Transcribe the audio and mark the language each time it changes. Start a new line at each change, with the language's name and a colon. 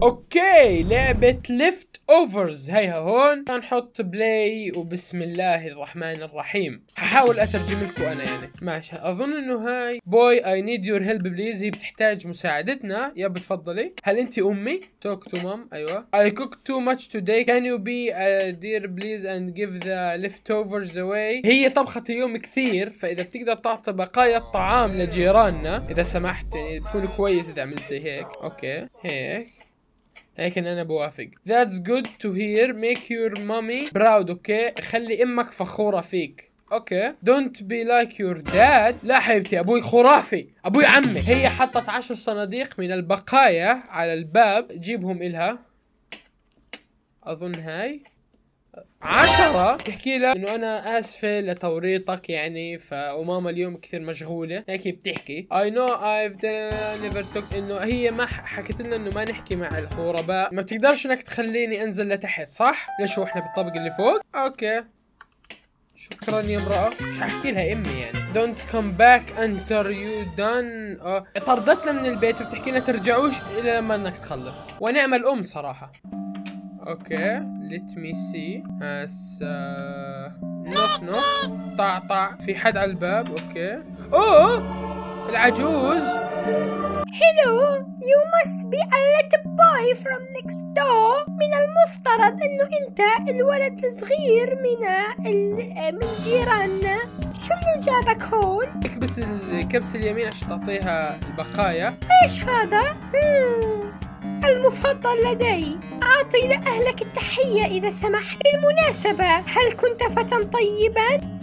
Arabic: اوكي، لعبه ليفت اوفرز هيها هون. نحط بلاي، وبسم الله الرحمن الرحيم. ححاول اترجم لكم انا يعني. ماشي، اظن انه
English: hi boy I need your help, please,
Arabic: هي بتحتاج مساعدتنا. يا بتفضلي، هل انت امي؟
English: Talk to mom. ايوه، I cooked too much today. Can you be a dear please and give the leftovers away?
Arabic: هي طبخت اليوم كثير، فإذا بتقدر تعطي بقايا الطعام لجيراننا إذا سمحت، يعني بتكون كويس إذا عملت زي هيك. أوكي، هيك. لكن أنا بوافق.
English: That's good to hear. Make your mommy proud, okay؟
Arabic: خلي أمك فخورة فيك.
English: Okay, don't be like your dad.
Arabic: لا حبيبتي، ابوي خرافي، ابوي عمي. هي حطت 10 صناديق من البقايا على الباب، جيبهم الها. اظن هاي 10. بتحكي لها انه انا اسفه لتوريطك يعني، ف وماما اليوم كثير مشغوله. هيك بتحكي.
English: I know I've never talk,
Arabic: انه هي ما حكت لنا انه ما نحكي مع الغرباء. ما بتقدرش انك تخليني انزل لتحت صح؟ ليش واحنا بالطبق اللي فوق؟ اوكي، شكرا يا امرأة. مش هحكي لها امي يعني.
English: Don't come back until you done.
Arabic: طردتنا من البيت، وبتحكي لنا ترجعوش الا لما انك تخلص. ونعم الام صراحة.
English: Okay, let me see.
Arabic: هسا نوك نوك، طع طع. في حد على الباب. اوكي، اوه العجوز.
English: Hello, you must be a little boy from next door.
Arabic: من المفترض انه انت الولد الصغير من جيراننا. شو اللي جابك هون؟ اكبس الكبس اليمين عشان تعطيها البقايا. ايش هذا؟ المفضل لدي. اعطي لاهلك التحية اذا سمحت. بالمناسبة، هل كنت فتى طيبا؟